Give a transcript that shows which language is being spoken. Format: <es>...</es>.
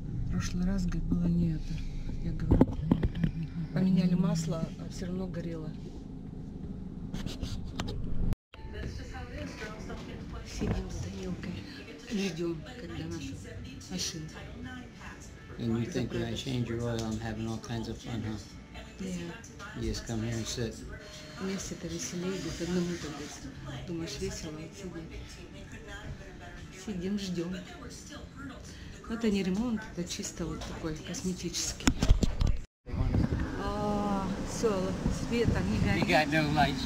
<ru>В прошлый раз, говорит, было не это. Я говорю, поменяли масло, а все равно горело. Сидим с Данилкой, ждем, когда наша машина.</ru> <en>And you think when I change your oil, I'm having all kinds of fun, huh? Yeah. You just come here and sit.</en> <ru>Мне все это веселее, говорит, одному то быть. Думаешь, весело, отсюда. Сидим, ждем. Это не ремонт, это чисто вот такой косметический. О, все, свет не горит.</ru> <en>We got no lights.</en>